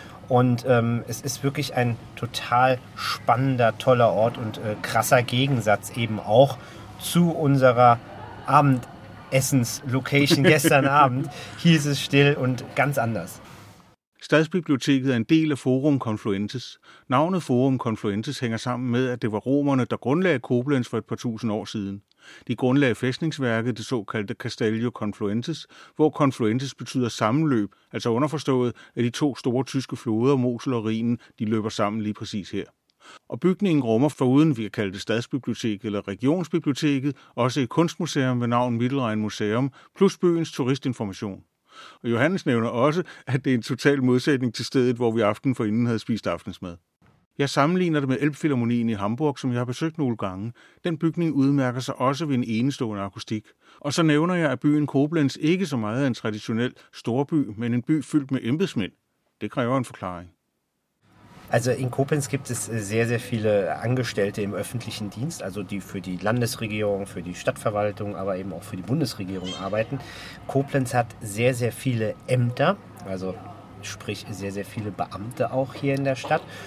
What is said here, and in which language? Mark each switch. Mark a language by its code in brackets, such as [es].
[de] Und es ist wirklich ein total spannender, toller Ort und krasser Gegensatz eben auch zu unserer Abendessens-Location gestern Abend. Hier ist es still und ganz anders. [da] Stadsbiblioteket er en del af Forum Confluentis. Navnet Forum Confluentis hænger sammen med, at det var romerne, der grundlagde Koblenz for et par tusind år siden. De grundlagde fæstningsværket, det såkaldte Castello Confluentis, hvor Confluentis betyder sammenløb, altså underforstået, at de to store tyske floder, Mosel og Rhinen, de løber sammen lige præcis her. Og bygningen rummer foruden, vi kan kalde det Stadsbiblioteket eller Regionsbiblioteket, også et kunstmuseum ved navn Mittelrhein Museum, plus byens turistinformation. Og Johannes nævner også, at det er en total modsætning til stedet, hvor vi aften forinden havde spist aftensmad. Jeg sammenligner det med Elbphilharmonien i Hamburg, som jeg har besøgt nogle gange. Den bygning udmærker sig også ved en enestående akustik. Og så nævner jeg, at byen Koblenz ikke så meget er en traditionel storby, men en by fyldt med embedsmænd. Det kræver en forklaring. [de] Also in Koblenz gibt es sehr, sehr viele Angestellte im öffentlichen Dienst, also die für die Landesregierung, für die Stadtverwaltung, aber eben auch für die Bundesregierung arbeiten. Koblenz hat sehr, sehr viele Ämter, also sprich sehr, sehr viele Beamte auch hier in der Stadt.